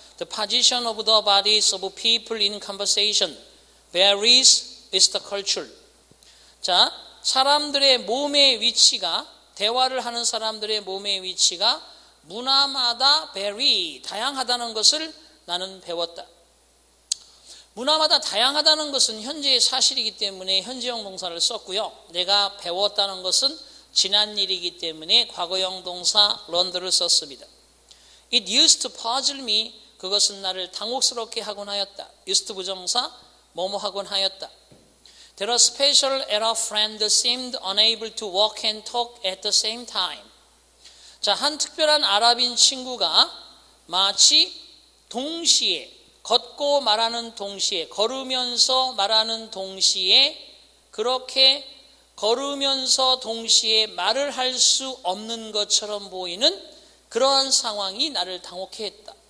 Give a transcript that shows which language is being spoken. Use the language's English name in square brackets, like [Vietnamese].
[English] The position of the bodies of people in conversation varies with the culture. [Korean] 자, 사람들의 몸의 위치가, 대화를 하는 사람들의 몸의 위치가 문화마다 vary, 다양하다는 것을 나는 배웠다. 문화마다 다양하다는 것은 현재의 사실이기 때문에 현재형 동사를 썼고요. 내가 배웠다는 것은 지난 일이기 때문에 과거형 동사 learned를 썼습니다. [English] It used to puzzle me, [Korean] 그것은 나를 당혹스럽게 하곤 하였다. used 부정사, 뭐뭐 하곤 하였다. [English] That a special era friend seemed unable to walk and talk at the same time. [Korean] 자, 한 특별한 아랍인 친구가 마치 동시에, 걷고 말하는 동시에, 걸으면서 말하는 동시에, 그렇게 걸으면서 동시에 말을 할 수 없는 것처럼 보이는 그러한 상황이 나를 당혹해 했다.